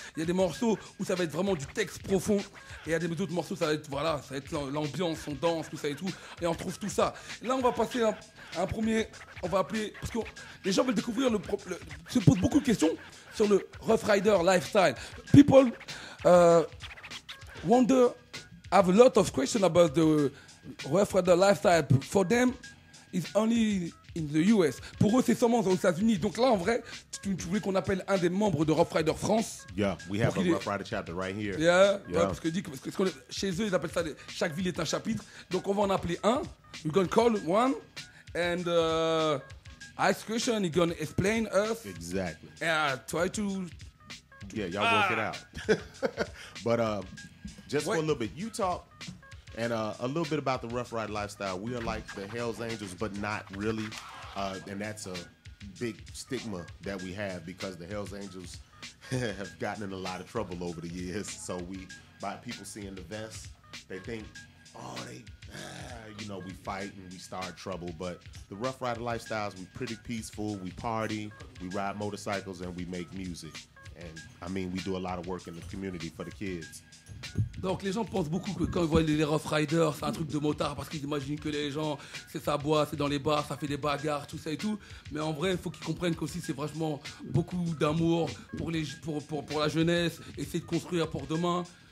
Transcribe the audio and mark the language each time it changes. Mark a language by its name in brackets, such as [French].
[French] Il y a des morceaux où ça va être vraiment du texte profond. Et il y a d'autres morceaux, ça va être l'ambiance, on danse, tout ça et tout. Et on trouve tout ça. Là, on va passer à un premier, on va appeler, parce que les gens veulent découvrir, se posent beaucoup de questions sur le Rough Rider lifestyle. [English] People wonder, have a lot of questions about the Rough Rider lifestyle. For them, it's only in the US. [French] Pour eux, c'est seulement aux États-Unis. Donc là, en vrai, tu voulais qu'on appelle un des membres de Rough Rider France. [English] Yeah, we have a Rough Rider chapter right here. Yeah. [French] Parce que chez eux, ils appellent ça, chaque ville est un chapitre. Donc on va en appeler un. [English] We're going to call one. And ask question, he's going to explain us. Exactly. Yeah, try to... Yeah, y'all work it out. But just for a little bit, you talk... And a little bit about the Rough Ride lifestyle. We are like the Hell's Angels, but not really. And that's a big stigma that we have because the Hell's Angels have gotten in a lot of trouble over the years. So we, by people seeing the vests, they think, oh, we fight and we start trouble. But the Rough Rider lifestyles, we're pretty peaceful. We party, we ride motorcycles, and we make music. And, I mean, we do a lot of work in the community for the kids. [French] Donc les gens pensent beaucoup que quand ils voient les Rough Riders, c'est un truc de motard parce qu'ils imaginent que les gens, c'est ça boit, c'est dans les bars, ça fait des bagarres, tout ça et tout. Mais en vrai, il faut qu'ils comprennent qu'aussi c'est vachement beaucoup d'amour pour la jeunesse, essayer de construire pour demain.